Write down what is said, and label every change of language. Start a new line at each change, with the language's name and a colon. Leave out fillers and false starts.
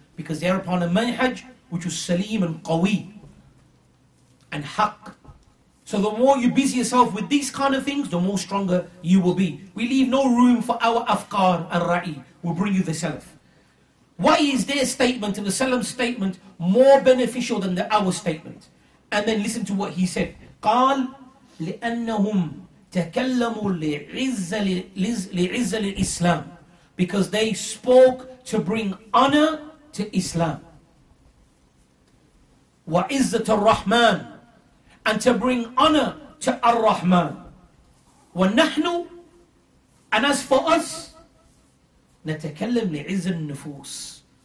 English: Because they are upon a manhaj which is salim and qawi and haq. So the more you busy yourself with these kind of things, the more stronger you will be. We leave no room for our afkar and ra'i. We'll bring you the Salaf. Why is their statement and the Salaf's statement more beneficial than our statement? And then listen to what he said.
Arabic: قال لأنهم تكلموا لعز الإسلام.
English: Because they spoke to bring honor to Islam.
Arabic: وعزة الرحمن.
English: And to bring honor to Ar-Rahman.
Arabic: وَنَحْنُ.
English: And as for us,
Arabic: نَتَكَلَّمْ لِعِزَ النُّفُوسِ.